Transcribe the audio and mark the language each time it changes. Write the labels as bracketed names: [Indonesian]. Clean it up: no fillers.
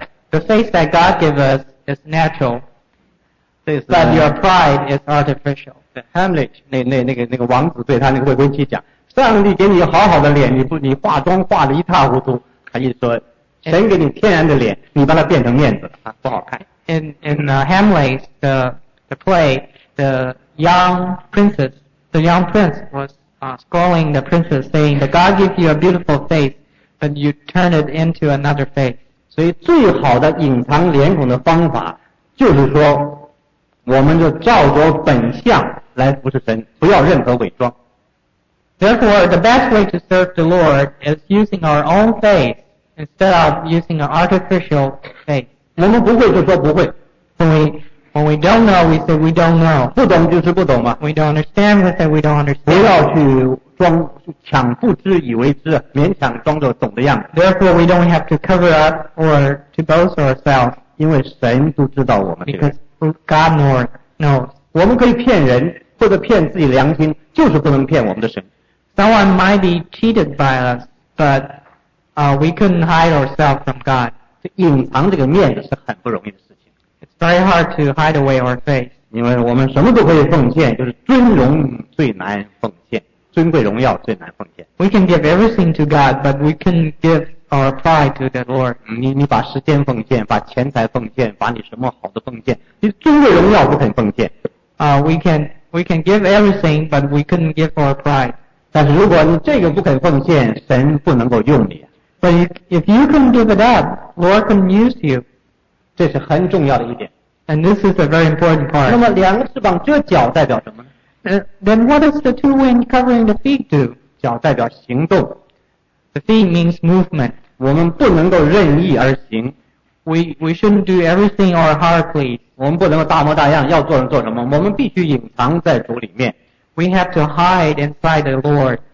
[English] The face that God gives us is natural, [Chinese] 这是 [English] but your pride is artificial. [Chinese] Hamlet 那个王子对他那个未婚妻讲：“上帝给你好好的脸，你化妆化得一塌糊涂。” 他一说，神给你天然的脸，你把它变成面子了，不好看。 [English] In Hamlet's the play, the young prince was scolding the princess, saying that God gives you a beautiful face, but you turn it into another face. [Chinese] 所以最好的隐藏脸孔的方法就是说，我们就照着本相来服侍神，不要任何伪装。 [English] Therefore, the best way to serve the Lord is using our own face instead of using an artificial face. [Chinese] 我们不会就说不会。 [English] When we don't know, we say we don't know. [Chinese] 不懂就是不懂嘛。 [English] We don't understand, we say we don't understand. [Chinese] 不要去装抢不知以为知，勉强装作懂的样子。 [English] Therefore, we don't have to cover up or to boast ourselves. [Chinese] 因为神都知道我们。 [English] Because God knows. [Chinese] 我们可以骗人或者骗自己良心，就是不能骗我们的神。 [English] Someone might be cheated by us, but we couldn't hide ourselves from God. [Chinese] 隐藏这个面子是很不容易的事情。 [English] It's very hard to hide away our face. [Chinese] 因为我们什么都可以奉献，就是尊荣最难奉献，尊贵荣耀最难奉献。 [English] We can give everything to God, but we can give our pride to the Lord. [Chinese] 你把时间奉献，把钱财奉献，把你什么好的奉献，你尊贵荣耀不肯奉献。 [English] We can give everything, but we couldn't give our pride. [Chinese] 但是如果你这个不肯奉献，神不能够用你。 [English] But if you can give it up, Lord can use you. [Chinese] 这是很重要的一点。 [English] And this is a very important part. [Chinese] 那么两个翅膀遮脚代表什么呢？ [English] Then what does the two wings covering the feet do? [Chinese] 脚代表行动。 [English] The feet means movement. [Chinese] 我们不能够任意而行。 [English] We shouldn't do everything our heart please. [Chinese] 我们不能够大模大样，要做什么做什么。我们必须隐藏在主里面。 [English] We have to hide inside the Lord.